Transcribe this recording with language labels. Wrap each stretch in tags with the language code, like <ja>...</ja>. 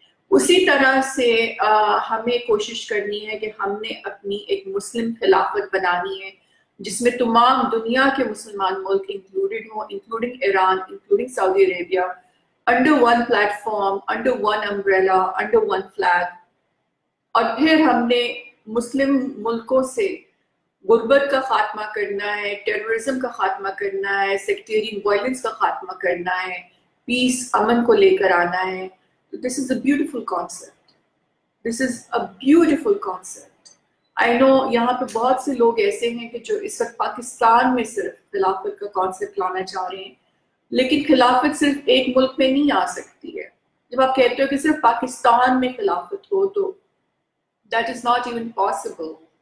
<ur>اسی طرح سے ہمیں کوشش کرنی ہے کہ ہم نے اپنی ایک مسلم خلافت بنانی ہے جس میں تمام دنیا کے مسلمان ملک انکلوڈیڈ ہوں, انکلوڈنگ ایران, انکلوڈنگ سعودی Arabia,</ur> <en>Under one platform, under one umbrella, under one flag.</en> <ur>اور پھر ہم نے مسلم ملکوں سے غربت کا خاتمہ کرنا ہے, ٹیررزم کا خاتمہ کرنا ہے, سیکٹیرین وائلنس کا خاتمہ کرنا ہے, پیس امن کو لے کر آنا ہے.</ur> <en>تو this is a beautiful concept, this is a beautiful concept. I know</en> <ur>یہاں پہ بہت سے لوگ ایسے ہیں کہ جو اس وقت پاکستان میں صرف خلافت کا کانسیپٹ لانا چاہ رہے ہیں, لیکن خلافت صرف ایک ملک میں نہیں آ سکتی ہے. جب آپ کہتے ہو کہ صرف پاکستان میں خلافت ہو تو</ur> <en>That is not even possible.</en>